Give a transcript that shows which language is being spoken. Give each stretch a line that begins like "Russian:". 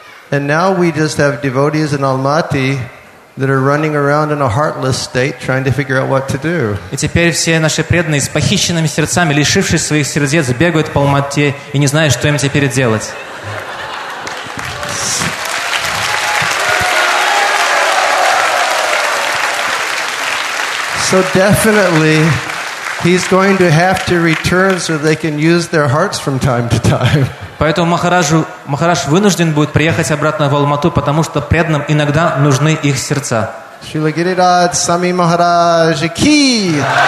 English: And now we just have devotees in Almaty that are running around in a heartless state trying to figure out what to do.
Russian: И теперь все наши преданные с похищенными сердцами, лишившись своих сердец, бегают по Алмате и не знают, что им теперь делать.
English: So definitely he's going to have to return so they can use their hearts from time to time.
Russian: Поэтому Махарадж вынужден будет приехать обратно в Алмату, потому что преданным иногда нужны их сердца. Шрила Гирирадж Свами Махарадж ки!